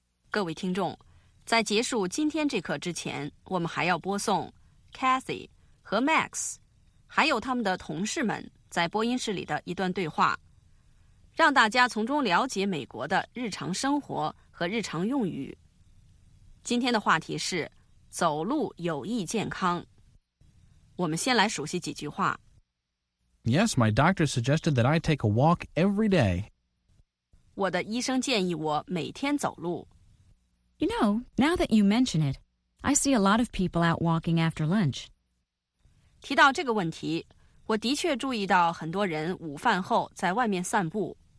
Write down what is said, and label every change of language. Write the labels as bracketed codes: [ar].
[zh] 各位听众，在结束今天这课之前，我们还要播送 Cathy 和 Max， 还有他们的同事们在播音室里的一段对话，让大家从中了解美国的日常生活和日常用语。今天的话题是走路有益健康。我们先来熟悉几句话。 [en] Yes, my doctor suggested that I take a walk every day. [zh] 我的医生建议我每天走路。 [en] You know, now that you mention it, I see a lot of people out walking after lunch. [zh] 提到这个问题，我的确注意到很多人午饭后在外面散步。